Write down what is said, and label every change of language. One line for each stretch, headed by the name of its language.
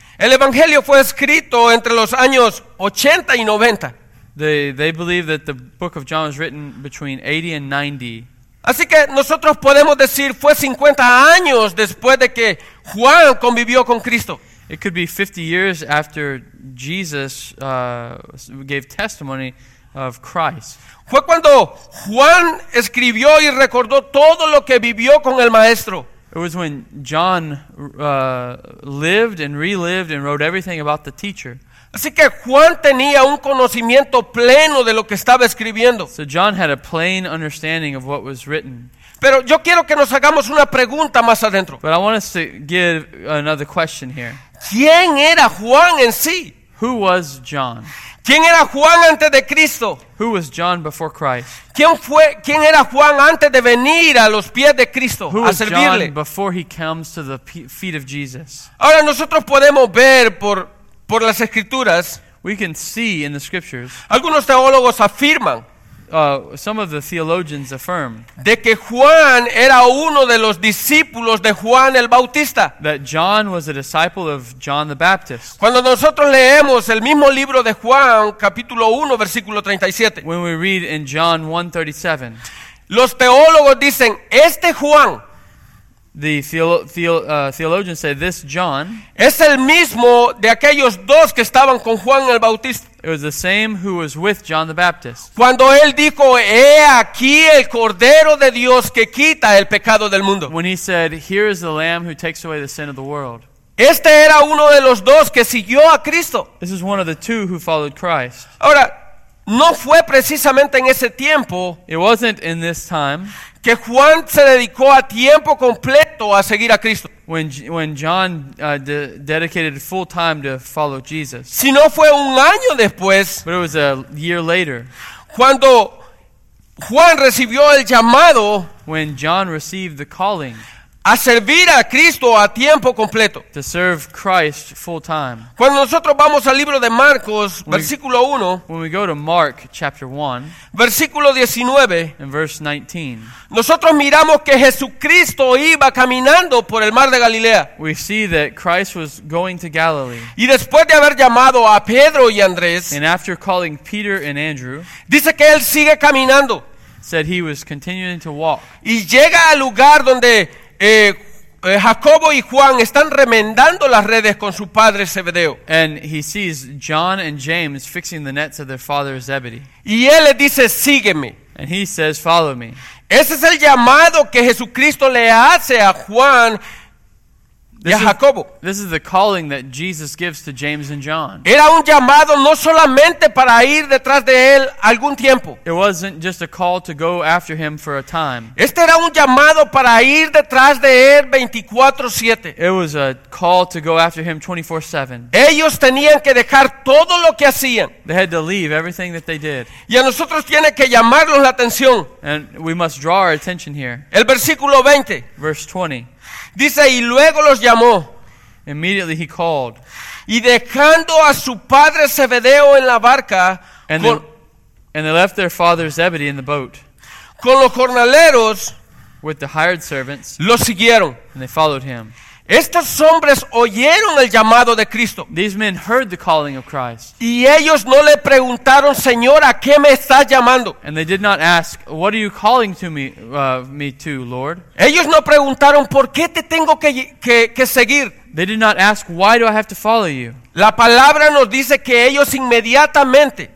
Spanish: el evangelio fue escrito entre los años 80 y 90.
English: They believe that the book of John was written between 80 and 90.
Spanish: Así que nosotros podemos decir fue 50 años después de que Juan convivió con Cristo.
English: It could be 50 years after Jesus gave testimony of Christ.
Spanish: Fue cuando Juan escribió y recordó todo lo que vivió con el Maestro.
English: It was when John lived and relived and wrote everything about the teacher.
Spanish: Así que Juan tenía un conocimiento pleno de lo que estaba escribiendo.
English: So John had a plain understanding of what was written.
Spanish: Pero yo quiero que nos hagamos una pregunta más adentro.
English: But I want us to give another question here.
Spanish: ¿Quién era Juan en sí?
English: Who was John?
Spanish: ¿Quién era Juan antes de Cristo?
English: Who was John before Christ?
Spanish: ¿Quién era Juan antes de venir a los pies de Cristo
English: who
Spanish: a servirle?
English: Who was John before he comes to the feet of Jesus?
Spanish: Ahora nosotros podemos ver por las escrituras,
English: we can see in the scriptures,
Spanish: algunos teólogos afirman,
English: some of the theologians affirm,
Spanish: de que Juan era uno de los discípulos de Juan el Bautista.
English: That John was a disciple of John the Baptist.
Spanish: Cuando nosotros leemos el mismo libro de Juan, capítulo 1, versículo 37,
English: when we read in John 1:37,
Spanish: los teólogos dicen, este Juan,
English: the theologian said, "This John
Spanish: es el mismo de aquellos dos que estaban con Juan el Bautista.
English: It was the same who was with John the Baptist.
Spanish: Cuando él dijo, 'He aquí el Cordero de Dios que quita el pecado del mundo.'
English: When he said, 'Here is the Lamb who takes away the sin of the world.'
Spanish: Este era uno de los dos que siguió a Cristo.
English: This is one of the two who followed Christ.
Spanish: Ahora, no fue precisamente en ese tiempo.
English: It wasn't in this time."
Spanish: Que Juan se dedicó a tiempo completo a seguir a Cristo.
English: When John dedicated full time to follow Jesus.
Spanish: Si no fue un año después.
English: But it was a year later.
Spanish: Cuando Juan recibió el llamado.
English: When John received the calling.
Spanish: A servir a Cristo a tiempo completo.
English: To serve Christ full time.
Spanish: Cuando nosotros vamos al libro de Marcos, versículo 1.
English: When we go to Mark, chapter 1.
Spanish: Versículo 19.
English: In verse 19.
Spanish: Nosotros miramos que Jesucristo iba caminando por el mar de Galilea.
English: We see that Christ was going to Galilee.
Spanish: Y después de haber llamado a Pedro y Andrés.
English: And after calling Peter and Andrew.
Spanish: Dice que él sigue caminando.
English: Said he was continuing to walk.
Spanish: Y llega al lugar donde Jacobo y Juan están remendando las redes con su padre Zebedeo.
English: And he sees John and James fixing the nets of their father Zebedee.
Spanish: Y él le dice, sígueme.
English: And he says, follow me.
Spanish: Ese es el llamado que Jesucristo le hace a Juan y a Jacobo.
English: This is the calling that Jesus gives to James and John.
Spanish: Era un llamado no solamente para ir detrás de él algún tiempo.
English: It wasn't just a call to go after him for a time.
Spanish: Este era un llamado para ir detrás de él 24/7.
English: It was a call to go after him 24/7.
Spanish: Ellos tenían que dejar todo lo que hacían.
English: They had to leave everything that they did.
Spanish: Y a nosotros tiene que llamarlos la atención.
English: And we must draw our attention here.
Spanish: El versículo 20.
English: Verse 20.
Spanish: Dice, y luego los llamó.
English: Immediately he called.
Spanish: Y dejando a su padre Zebedeo en la barca.
English: And they left their father Zebedee in the boat.
Spanish: Con los jornaleros.
English: With the hired servants.
Spanish: Los siguieron.
English: And they followed him.
Spanish: Estos hombres oyeron el llamado de Cristo.
English: These men heard the calling of Christ.
Spanish: Y ellos no le preguntaron, Señor, ¿a qué me estás llamando?
English: And they did not ask, what are you calling to me, me to, Lord?
Spanish: Ellos no preguntaron, ¿por qué te tengo que seguir?
English: They did not ask, why do I have to follow you?
Spanish: La palabra nos dice que ellos inmediatamente,